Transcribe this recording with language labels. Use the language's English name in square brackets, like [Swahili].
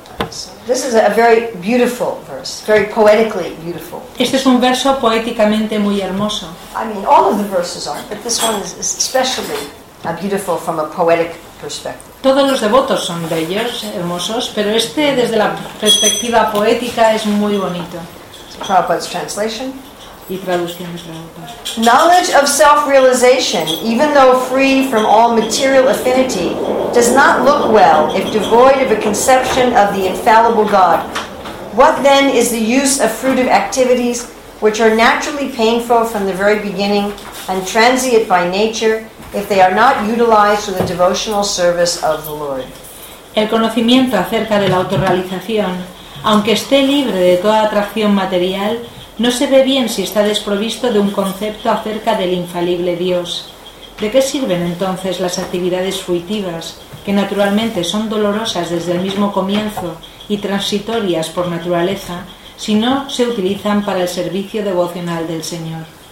[English] So, this is a very beautiful verse, very poetically beautiful. [Spanish] Este es un verso poéticamente muy hermoso. [English] I mean, all of the verses are, but this one is especially beautiful from a poetic perspective. [Spanish] Todos los devotos son bellos, hermosos, pero este desde la perspectiva poética es muy bonito. [English] Prabhupada's translation. [Spanish] Y traducción de Prabhupada. [English] Knowledge of self-realization, even though free from all material affinity, does not look well if devoid of a conception of the infallible God. What then is the use of fruitive activities, which are naturally painful from the very beginning and transient by nature, if they are not utilized for the devotional service of the Lord? [Spanish] El conocimiento acerca de la autorrealización, aunque esté libre de toda atracción material, no se ve bien si está desprovisto de un concepto acerca del infalible Dios. ¿De qué sirven entonces las actividades fruitivas, que naturalmente son dolorosas desde el mismo comienzo y transitorias por naturaleza, si no se utilizan para el servicio devocional del Señor?